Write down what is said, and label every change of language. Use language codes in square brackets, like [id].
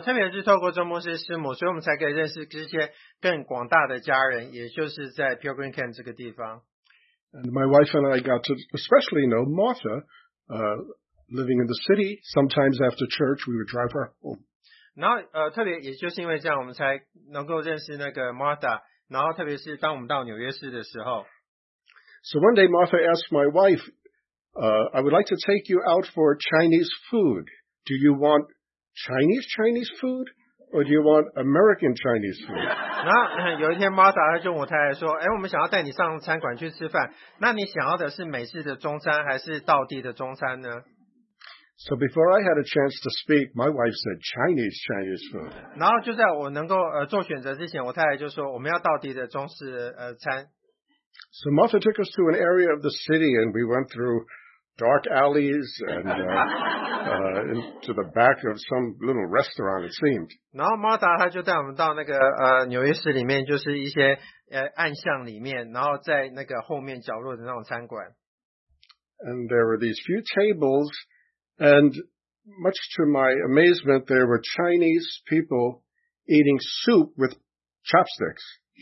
[zh] 特别是透过周牧师师母，所以我们才可以认识这些更广大的家人，也就是在 Pilgrim Camp 这个地方。 [en] And my wife and I got to especially know Martha, living in the city. Sometimes after church, we would drive her home. [zh] 然后特别也就是因为这样，我们才能够认识那个 Martha。然后特别是当我们到纽约市的时候。 [en] So one day Martha asked my wife, I would like to take you out for Chinese food. Do you want Chinese food Or do you want American Chinese food? [zh] 然后有一天，Martha就问我太太说：“哎，我们想要带你上餐馆去吃饭，那你想要的是美式的中餐还是道地的中餐呢？” [en] So before I had a chance to speak, my wife said Chinese food. [zh] 然后就在我能够做选择之前，我太太就说我们要道地的中式餐。 [en] So Martha took us to an area of the city, and we went through dark alleys and into the back of some little restaurant, it seemed. [zh] 然后Martha她就带我们到那个纽约市里面，就是一些暗巷里面，然后在那个后面角落的那种餐馆。 [en] And there were these few tables, and much to my amazement, there were Chinese people eating soup with chopsticks.